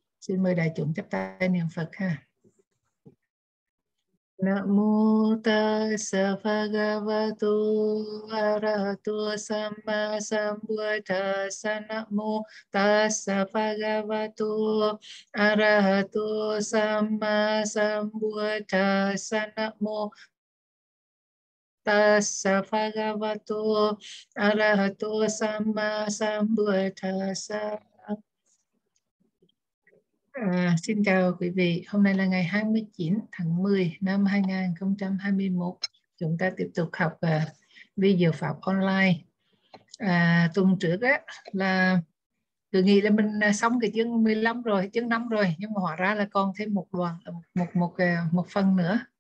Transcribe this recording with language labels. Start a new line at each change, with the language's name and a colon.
Vietnamese: Xin mời đại chúng chắp tay niệm Phật ha.
Pali: Nam mô ta sa pha ga va tu a ra tu sa ma sa bu ta sa nam mô ta sa pha ga va tu a ra tu sa ma sa bu ta sa nam mô ta sa pha ga va tu a ra tu sa ma sa bu ta sa.
Vietnamese: Xin chào quý vị. Hôm nay là ngày 29 tháng 10 năm 2021. Chúng ta tiếp tục học vi diệu pháp online. Tuần trước á là tự nghĩ là mình xong cái chương 15 rồi, chương 5 rồi, nhưng mà hóa ra là còn thêm một đoạn một phần nữa.